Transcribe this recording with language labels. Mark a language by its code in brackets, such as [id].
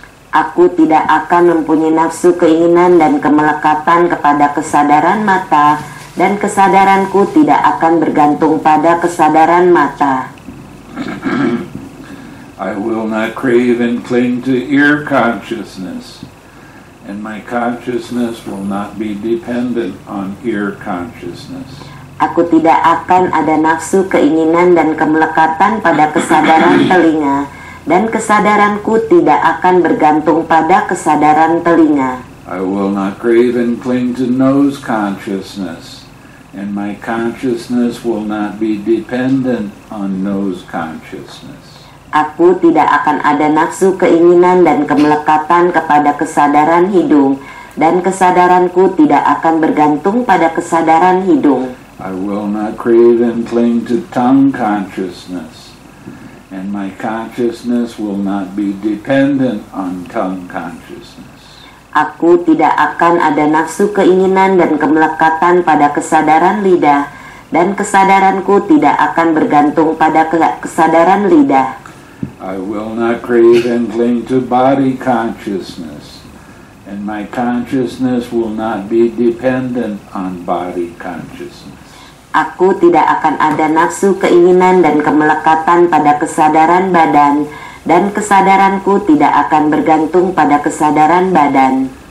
[id] Aku tidak akan mempunyai nafsu keinginan dan kemelekatan kepada kesadaran mata, dan kesadaranku tidak akan bergantung pada kesadaran mata. [en] I will not crave and cling to ear consciousness, and my consciousness will not be dependent on ear consciousness. [id] Aku tidak akan ada nafsu keinginan dan kemelekatan pada kesadaran telinga, dan kesadaranku tidak akan bergantung pada kesadaran telinga. [en] I will not crave and cling to nose consciousness, and my consciousness will not be dependent on nose consciousness. [id] Aku tidak akan ada nafsu keinginan dan kemelekatan kepada kesadaran hidung, dan kesadaranku tidak akan bergantung pada kesadaran hidung. [en] I will not crave and cling to tongue consciousness, and my consciousness will not be dependent on tongue consciousness. [id] Aku tidak akan ada nafsu keinginan dan kemelekatan pada kesadaran lidah, dan kesadaranku tidak akan bergantung pada kesadaran lidah. [en] I will not crave and cling to body consciousness, and my consciousness will not be dependent on body consciousness. [id] Aku tidak akan ada nafsu keinginan dan kemelekatan pada kesadaran badan, dan kesadaranku tidak akan bergantung pada kesadaran badan.